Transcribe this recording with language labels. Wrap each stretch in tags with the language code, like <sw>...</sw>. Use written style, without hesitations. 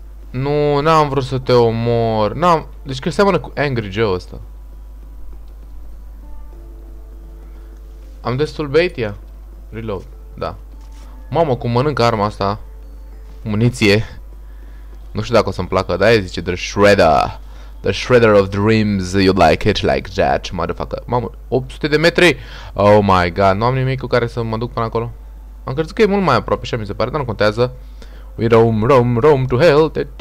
<ro>Nu, n-am vrut să te omor. N-am... Deci că seamănă cu Angry Joe ăsta. Am destul bait, ia. Reload, da. Mamă, cum mănâncă arma asta. Muniție. Nu știu dacă o să-mi placă, da, zice The Shredder.</ro> <en>The Shredder of Dreams, you like it like that, motherfucker.</en> <ro>Mamă, 800 de metri.</ro> <en>Oh my god,</en> <ro>nu am nimic cu care să mă duc până acolo. Am crezut că e mult mai aproape, așa mi se pare, dar nu contează.</ro> <en>We roam, roam, roam to hell.</en>